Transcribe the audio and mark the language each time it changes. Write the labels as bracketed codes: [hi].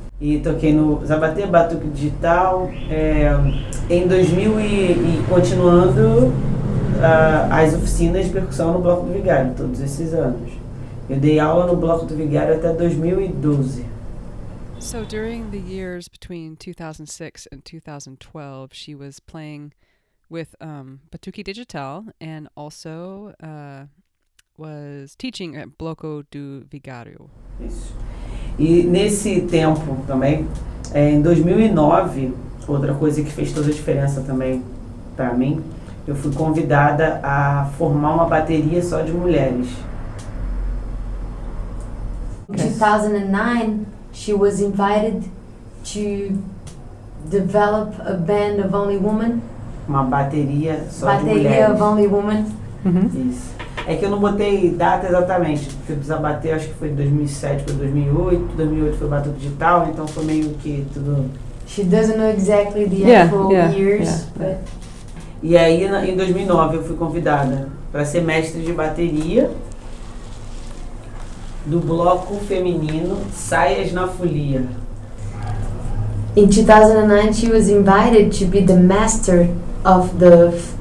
[pt] E toquei no zabatê, batuque digital, em 2000 e continuando as oficinas de percussão no Bloco do Vigário, todos esses anos. Eu dei aula no Bloco do Vigário até 2012. [en] So during the years between 2006 and 2012, she was playing with Batuque Digital and also was teaching at Bloco do Vigário. [pt] Isso. E nesse tempo também, em 2009, outra coisa que fez toda a diferença também para mim, eu fui convidada a formar uma bateria só de mulheres. Em 2009, [en] she was invited to develop a band of only women. [pt] Uma bateria só bateria de mulheres. [en] Bateria of only women. [pt] Uhum. Isso. É que eu não botei data exatamente, porque eu bater, acho que foi de 2007 para 2008, 2008 foi batuque digital, então foi meio que tudo... [en] She doesn't know exactly the years, but... [pt] E aí, em 2009, eu fui convidada para ser mestre de bateria do bloco feminino Saias na Folia. [en] In 2009, she was invited to be the master of the...